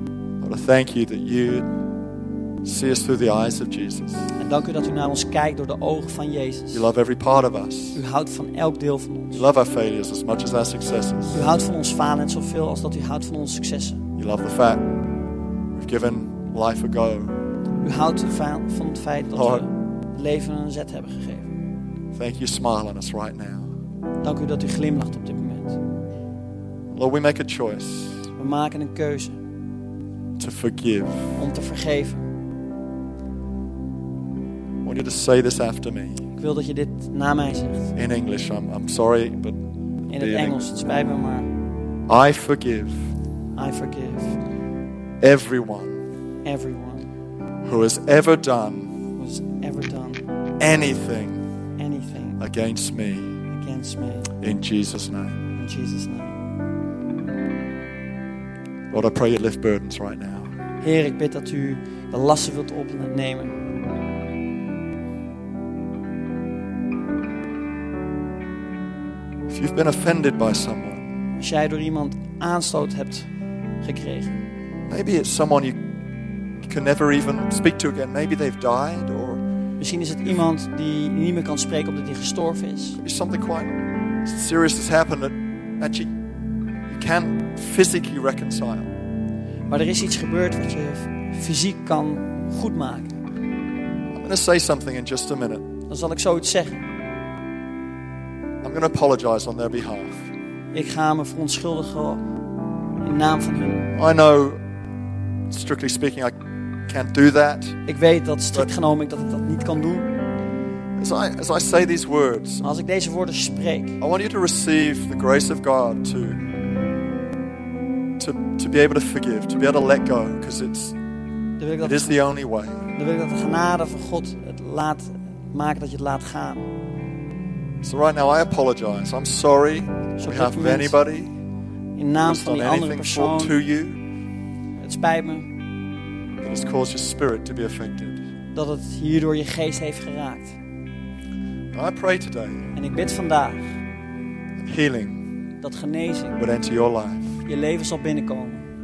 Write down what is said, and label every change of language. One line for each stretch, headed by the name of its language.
English: Lord, I thank you that you see us through the eyes of Jesus.
Dutch: En dank u dat u naar ons kijkt door de ogen van Jezus.
English: You love every part of us.
Dutch: U houdt van elk deel van ons.
English: You love our failures as much as our successes.
Dutch: U houdt van ons falen net zoveel als dat u houdt van onze successen.
English: You love the fact we've given life a go.
Dutch: U houdt van het feit dat Lord, we leven een zet hebben gegeven.
English: Thank you smiling us right now.
Dutch: Dank u dat u glimlacht op dit moment.
English: Lord, we make a choice.
Dutch: We maken een keuze.
English: To forgive.
Dutch: Om te vergeven.
English: I want you to say this after me.
Dutch: Ik wil dat je dit na mij zegt.
English: In English, I'm sorry, but
Dutch: in het Engels, het spijt me maar.
English: I forgive. I forgive. Everyone. Everyone. Who has ever done. Who has ever done. Anything. Anything. Against me. Against me. In Jesus' name. In Jesus' name. Lord, I pray you lift burdens right now.
Dutch: Heer, ik bid dat u de lasten wilt opnemen.
English: If you've been offended by someone,
Dutch: als jij door iemand aanstoot hebt gekregen,
English: maybe it's someone you can never even speak to again. Maybe they've died, or
Dutch: misschien is het iemand die niet meer kan spreken omdat hij gestorven is.
English: Maybe something quite serious has happened that actually you can't physically reconcile.
Dutch: Maar er is iets gebeurd wat je fysiek kan goedmaken.
English: I'm going to say something in just a minute.
Dutch: Dan zal ik zoiets zeggen.
English: I'm going to apologize on their behalf.
Dutch: Ik ga me verontschuldigen in naam van hun.
English: I know, strictly speaking, I can't do that.
Dutch: Ik weet dat strikt genomen ik dat niet kan doen.
English: As I say these words,
Dutch: als ik deze woorden spreek,
English: I want you to receive the grace of God to be able to forgive, to be able to let go, because it is the only way.
Dutch: Dan wil ik dat de genade van God het laat maken dat je het laat gaan.
English: So right now I apologize. I'm sorry on behalf of anybody
Dutch: in naam
English: who's done
Dutch: van die
English: anything
Dutch: persoon,
English: to you.
Dutch: Het spijt me.
English: That has caused your spirit to be affected.
Dutch: Dat het hierdoor je geest heeft geraakt.
English: And I pray today.
Dutch: En ik bid vandaag.
English: Healing.
Dutch: Dat genezing.
English: Would enter your life.
Dutch: Je leven zal binnenkomen.